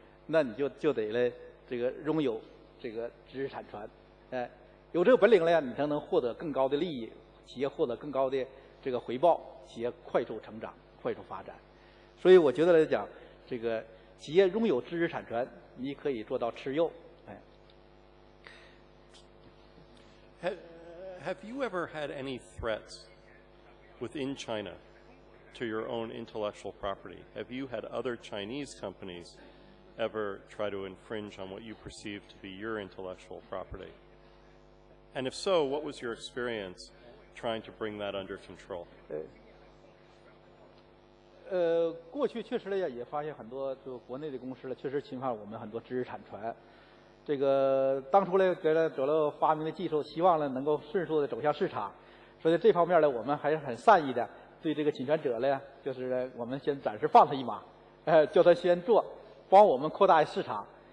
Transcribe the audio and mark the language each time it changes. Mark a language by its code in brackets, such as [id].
[zh] 那你就得拥有这个知识产权，有这个本领了呀，你才能获得更高的利益，企业获得更高的这个回报，企业快速成长，快速发展。所以我觉得来讲，这个企业拥有知识产权，你可以做到持有。哎。 [en] Have you ever had any threats within China to your own intellectual property? Have you had other Chinese companies ever try to infringe on what you perceive to be your intellectual property? And if so, what was your experience trying to bring that under control? [zh] 过去确实也发现很多就国内的公司确实侵犯我们很多知识产权。这个当初呢，给了得了发明的技术，希望呢能够迅速的走向市场，所以这方面呢，我们还是很善意的，对这个侵权者呢，就是呢我们先暂时放他一马，叫他先做，帮我们扩大市场。